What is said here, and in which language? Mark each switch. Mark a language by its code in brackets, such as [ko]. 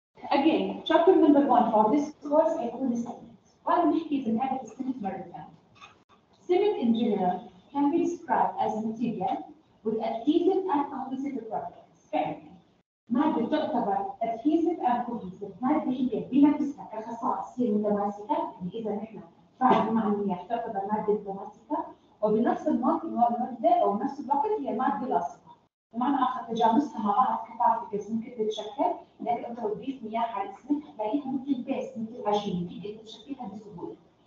[en] Again, chapter number one for this course [ar] هيكون السمنت. وهذا بنحكي إذا نحكي السمنت مرة ثانية. [en] Cement in general can be described as a material with adhesive and composite properties. [ar] مادة تعتبر أدهيزف أم كوهيزف، مادة هي بنفسها كخصائص هي متماسكة، يعني إذا نحن فعلا مع المياه تعتبر مادة متماسكة، وبنفس الوقت المادة أو نفس الوقت هي مادة لاصقة، بمعنى آخر تجانسها مع بعض كبارتكلز ممكن تتشكل، لأنك أنت لو تضيف مياه على الأسمنت هتلاقيها مثل بيست مثل عجينة، تقدر تشكلها بسهولة،